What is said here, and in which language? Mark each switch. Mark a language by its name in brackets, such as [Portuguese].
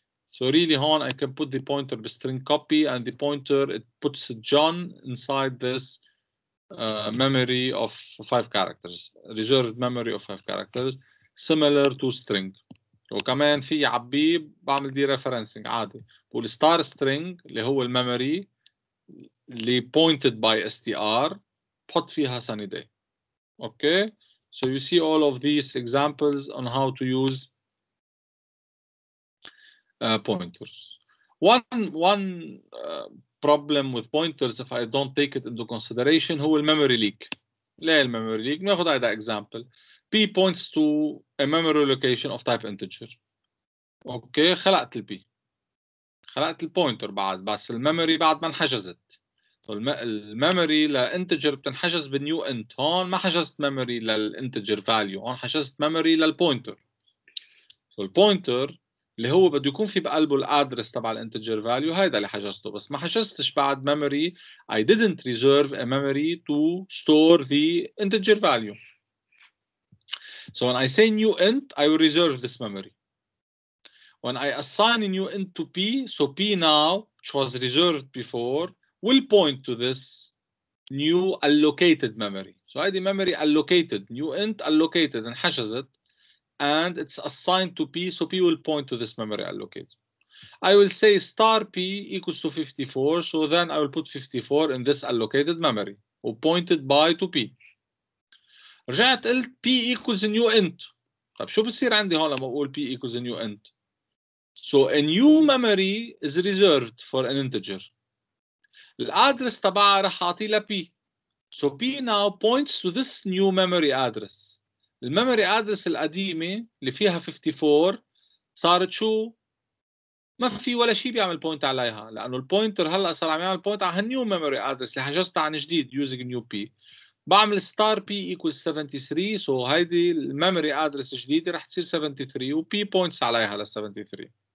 [English] So really هون I can put the pointer بstring copy and the pointer it puts John inside this memory of five characters reserved memory of five characters. similar to string. [Arabic] وكمان في عبي بعمل دي referencing عادي. [English] بقول star string [Arabic] اللي هو الميموري اللي [English] pointed by str [Arabic] بحط فيها [English] sunny day. okay. so you see all of these examples on how to use pointers. one problem with pointers if I don't take it into consideration [Arabic] هو الميموري [English] leak. [Arabic] ليه الميموري leak؟ ناخذ هذا example. [English] P points to a memory location of type integer. Okay, [Arabic] خلقت ال [English] P. [Arabic] خلقت ال pointer بعد بس ال memory بعد ما انحجزت. ال memory ل integer بتنحجز بالnew int. هون ما حجزت memory لل integer value. هون حجزت memory لل pointer. So ال pointer اللي هو بده يكون في بقلبه ال address تبع ال integer value هيدا اللي حجزته. بس ما حجزتش بعد memory. [English] I didn't reserve a memory to store the integer value. So when I say new int, I will reserve this memory. When I assign a new int to P, so P now, which was reserved before, will point to this new allocated memory. So I the memory allocated, new int allocated, and hashes it, and it's assigned to P, so P will point to this memory allocated. I will say star P equals to 54, so then I will put 54 in this allocated memory, or pointed by to P. [Arabic] رجعت قلت [English] p equals a new int. [Arabic] طب شو بصير عندي هون لما اقول [English] p equals a new int؟ So a new memory is reserved for an integer. [Arabic] الادرس تبعها رح اعطي لـ p. [English] So p now points to this new memory address. [Arabic] الميموري ادرس القديمة اللي فيها 54 صارت شو؟ ما في ولا شيء بيعمل point عليها لأنه البوينتر هلا صار عم يعمل point على هالنيو ميموري ادرس اللي حجزتها عن جديد using new p. بعمل star p equals 73 so هيدي الميموري ادرس جديدة رح تصير 73 و p points عليها لل 73.